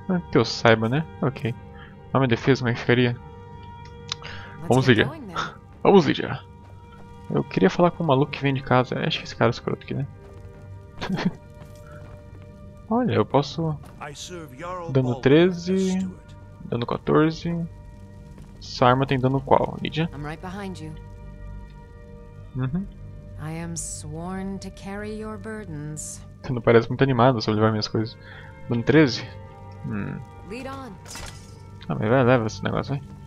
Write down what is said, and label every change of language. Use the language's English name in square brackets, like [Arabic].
[Portuguese] Que eu saiba, né? Ok. A minha defesa, como é que ficaria? Vamos, Lídia. Vamos, Lídia. Eu queria falar com um maluco que vem de casa. Acho que esse cara é escroto aqui, né? Olha, eu posso... Dando 13... Dando 14... Essa arma tem dano qual, Lídia? [English] I am sworn to carry your burdens. [Portuguese] Você não parece muito animado sobre levar minhas coisas. Dando 13? [English] Lead on. [Portuguese] Ah, mas leva esse negócio aí.